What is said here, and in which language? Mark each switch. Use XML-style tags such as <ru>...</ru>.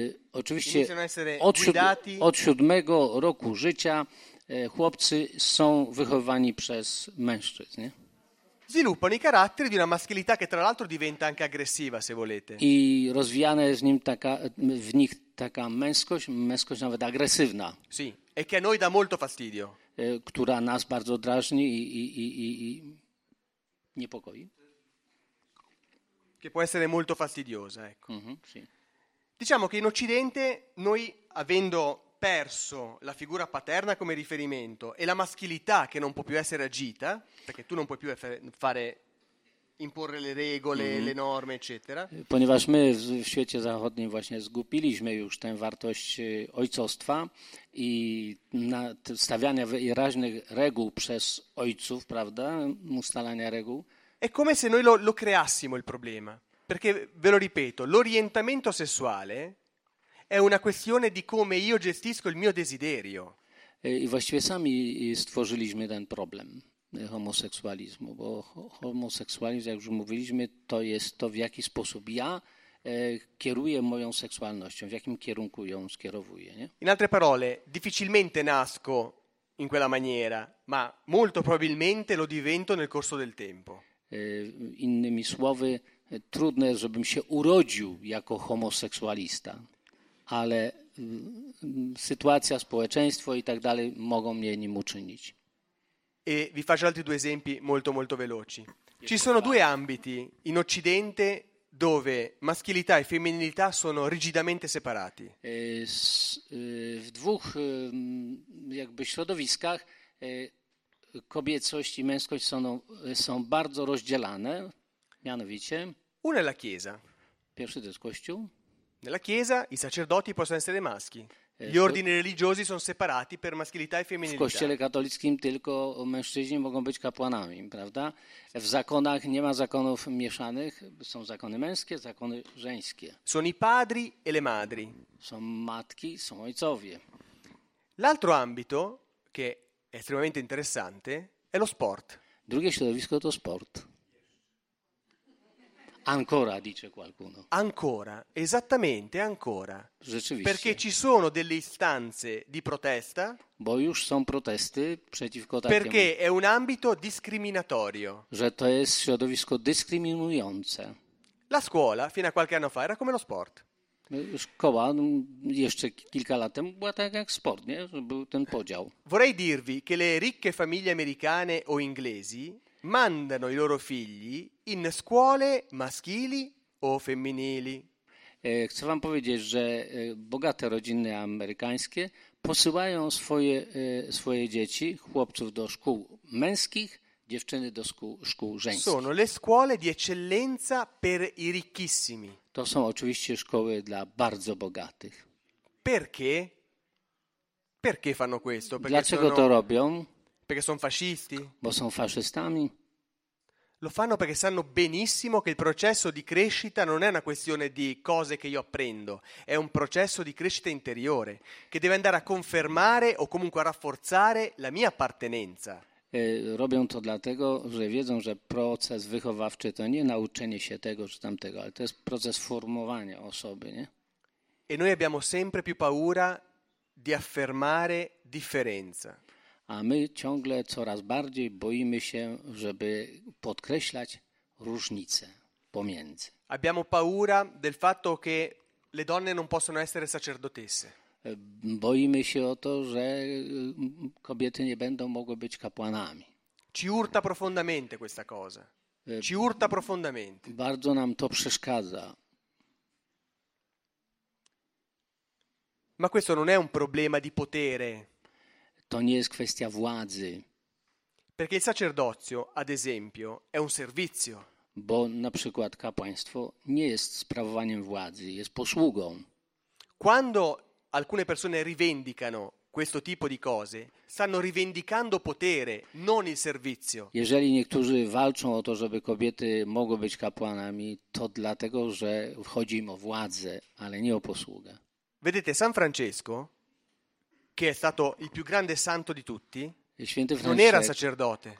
<pl>Oczywiście od 7 roku życia chłopcy są wychowywani przez mężczyzn, nie?</pl> <it>Sviluppano i caratteri di una maschilità che tra l'altro diventa anche aggressiva, se volete.</it> <pl>I rozwijana jest w nich taka męskość nawet agresywna.</pl> <it>Sì, e che a noi dà molto fastidio.</it> <pl>Która nas bardzo drażni i niepokoi.</pl> <it>Che può essere molto fastidiosa, ecco. Sì. Diciamo che in Occidente noi, avendo perso la figura paterna come riferimento e la maschilità che non può più essere agita, perché tu non puoi più fare imporre le regole, le norme, eccetera.</it> <pl>Ponieważ my w świecie zachodnim właśnie zgubiliśmy już tę wartość ojcostwa i stawiania wyraźnych reguł przez ojców, prawda, ustalania reguł.</pl> <it>È come se noi lo creassimo il problema, perché ve lo ripeto, l'orientamento sessuale è una questione di come io gestisco il mio desiderio.</it> <pl>I właściwie sami stworzyliśmy ten problem homoseksualizmu, bo homoseksualizm, jak już mówiliśmy, to jest to, w jaki sposób ja kieruję moją seksualnością, w jakim kierunku ją skierowuję. Nie?</pl> <it>In altre parole, difficilmente nasco in quella maniera, ma molto probabilmente lo divento nel corso del tempo.</it> <pl>Innymi słowy, trudne, żebym się urodził jako homoseksualista, ale sytuacja, społeczeństwo i tak dalej mogą mnie nim uczynić.</pl> <it>E vi faccio altri due esempi molto molto veloci. Ci sono due ambiti in Occidente dove maschilità e femminilità sono rigidamente separati.</it> <pl>W dwóch jakby środowiskach kobiecość i męskość są bardzo rozdzielane, mianowicie...</pl> <it>Una è la Chiesa.</it> <pl>Pierwszy to jest Kościół.</pl> <it>Nella Chiesa i sacerdoti possono essere maschi. Gli ordini religiosi sono separati per maschilità e femminilità.</it> <pl>W Kościele katolickim tylko mężczyźni mogą być kapłanami, prawda? W zakonach nie ma zakonów mieszanych, są zakony męskie, zakony żeńskie.</pl> <it>Sono i padri e le madri.</it> <pl>Są matki, są ojcowie.</pl> <it>L'altro ambito, che è estremamente interessante, è lo sport.</it> <pl>Drugie środowisko to sport.</pl> <it>Ancora, dice qualcuno. Ancora, esattamente, ancora.</it> <pl>Rzeczywiście.</pl> <it>Perché ci sono delle istanze di protesta.</it> <pl>Bo już są protesty przeciwko takim.</pl> <it>Perché è un ambito discriminatorio.</it> <pl>Że to jest środowisko dyskryminujące.</pl> <it>La scuola, fino a qualche anno fa, era come lo sport.</it> <pl>Szkoła jeszcze kilka lat temu była tak jak sport, nie? Był ten podział.</pl> <it>Vorrei dirvi che le ricche famiglie americane o inglesi mandano i loro figli in scuole maschili o femminili.</it> <pl>Chcę wam powiedzieć, że bogate rodziny amerykańskie posyłają swoje dzieci, chłopców do szkół męskich, dziewczyny do szkół żeńskich.</pl> <it>Sono le scuole di eccellenza per i ricchissimi.</it> <pl>To są oczywiście szkoły dla bardzo bogatych.</pl> <it>Perché? Perché fanno questo?</it> <pl>Dlaczego to robią?</pl> <it>Perché sono fascisti?</it> <pl>Bo są faszystami.</pl> <it>Lo fanno perché sanno benissimo che il processo di crescita non è una questione di cose che io apprendo, è un processo di crescita interiore che deve andare a confermare o comunque a rafforzare la mia appartenenza.</it> <pl>Robią to dlatego, że wiedzą, że proces wychowawczy to nie nauczenie się tego czy tamtego, ale to jest proces formowania osoby, nie?</pl> <it>E noi abbiamo sempre più paura di affermare differenza.</it> <pl>A my ciągle coraz bardziej boimy się, żeby podkreślać różnice pomiędzy.</pl> <it>Abbiamo paura del fatto che le donne non possono essere sacerdotesse.</it> <pl>Boimy się o to, że kobiety nie będą mogły być kapłanami.</pl> <it>Ci urta profondamente questa cosa. Ci urta profondamente.</it> <pl>Bardzo nam to przeszkadza.</pl> <it>Ma questo non è un problema di potere.</it> <pl>To nie jest kwestia władzy.</pl> <it>Perché il sacerdozio, ad esempio, è un servizio.</it> <pl>Bo na przykład kapłaństwo nie jest sprawowaniem władzy, jest posługą.</pl> <it>Quando alcune persone rivendicano questo tipo di cose, stanno rivendicando potere, non il servizio.</it> <pl>Jeżeli niektórzy walczą o to, żeby kobiety mogły być kapłanami, to dlatego, że chodzi im o władzę, ale nie o posługę.</pl> <it>Vedete, San Francesco, che è stato il più grande santo di tutti, non era sacerdote.</it>